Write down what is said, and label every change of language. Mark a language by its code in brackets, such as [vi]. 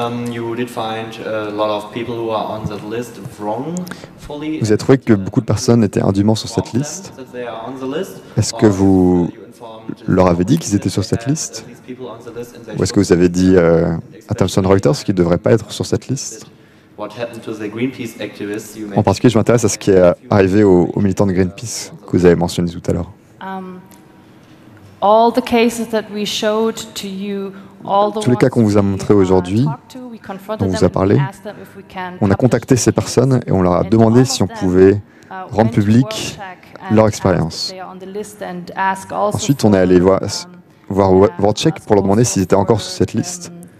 [en] You did find a lot of people who are on that list wrong. [fr] Vous avez trouvé que beaucoup de personnes étaient indûment sur cette liste? Est-ce que vous leur avez dit qu'ils étaient sur cette liste? Ou est-ce que vous avez dit à Thomson Reuters qu'ils ne devraient pas être sur cette liste? En particulier, je m'intéresse à ce qui est arrivé aux militants de Greenpeace que vous avez mentionné tout à l'heure. [en] All the cases that we showed to you, all the [fr] tous les cas qu'on vous a montrés aujourd'hui, dont vous a parlé, on a contacté ces personnes et on leur a demandé si on pouvait rendre public leur expérience. Ensuite, on est allé voir WorldCheck pour leur demander s'ils étaient encore sur cette liste.